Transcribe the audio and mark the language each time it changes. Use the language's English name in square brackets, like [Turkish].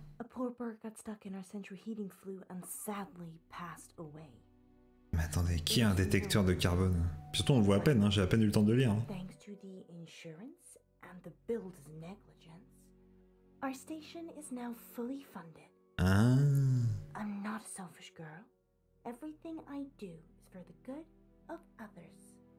[English] A poor bird got stuck in our central heating flue and sadly passed away. [French] Mais attendez, qui a un détecteur de carbone? Surtout, on le voit à peine, hein, j'ai à peine eu le temps de lire. [English] Thanks to the insurance and the build's negligence, our station is now fully funded. Ah. I'm not a selfish girl. Everything I do is for the good of others.